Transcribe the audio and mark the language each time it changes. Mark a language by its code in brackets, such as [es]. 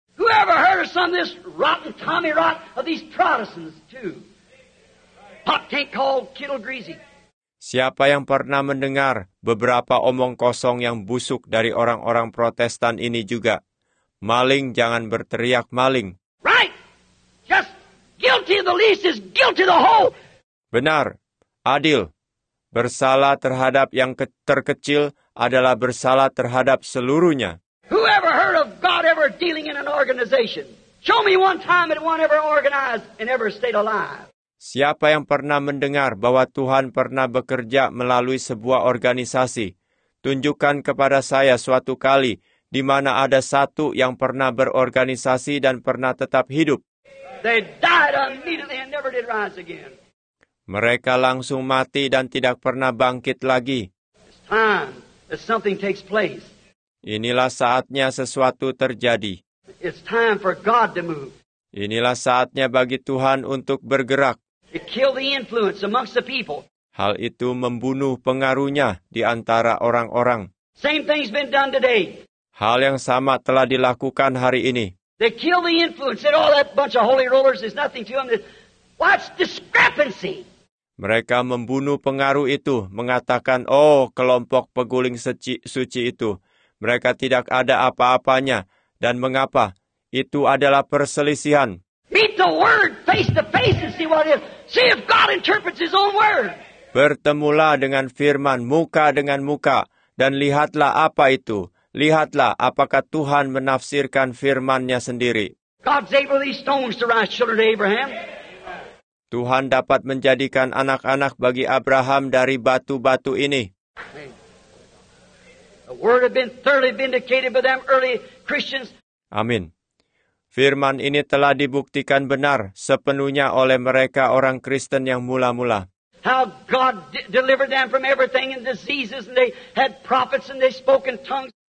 [en] Whoever heard of some of this rotten Tommy rot of these Protestants too? Pop tank called Kittle Greasy. [id] Siapa yang pernah mendengar beberapa omong kosong yang busuk dari orang-orang Protestan ini juga? Maling jangan berteriak maling. [en] Right. Just guilty of the least is guilty of the whole. [id] Benar. Adil. Bersalah terhadap yang terkecil adalah bersalah terhadap seluruhnya. [en] Whoever heard of God ever dealing in an organization? Show me one time that one ever organized and ever stayed alive. [id] Siapa yang pernah mendengar bahwa Tuhan pernah bekerja melalui sebuah organisasi? Tunjukkan kepada saya suatu kali di mana ada satu yang pernah berorganisasi dan pernah tetap hidup. [en] They died immediately and never did rise again. [id] Mereka langsung mati dan tidak pernah bangkit lagi. [en] It's time that something takes place. [id] Inilah saatnya sesuatu terjadi. [en] It's time for God to move. [id] Inilah saatnya bagi Tuhan untuk bergerak. [en] To kill the influence amongst the people. [id] Hal itu membunuh pengaruhnya di antara orang-orang. [en] Same thing's been done today. [id] Hal yang sama telah dilakukan hari ini. [en] They kill the influence. All that bunch of holy rollers is nothing to them. What's discrepancy? [id] Mereka membunuh pengaruh itu, mengatakan, oh, kelompok peguling suci itu. Mereka tidak ada apa-apanya. Dan mengapa? Itu adalah perselisihan. [en] Meet the word face to face and see what it is. See if God interprets his own word. [id] Bertemulah dengan firman muka dengan muka dan lihatlah apa itu. Lihatlah apakah Tuhan menafsirkan firman-Nya sendiri. [en] God's able these stones to rise children to Abraham. [id] Tuhan dapat menjadikan anak-anak bagi Abraham dari batu-batu ini. [en] The word had been thoroughly vindicated by them early Christians. [id] Amin. Firman ini telah dibuktikan benar sepenuhnya oleh mereka orang Kristen yang mula-mula. [en] How God delivered them from everything and diseases and they had prophets and they spoke in tongues.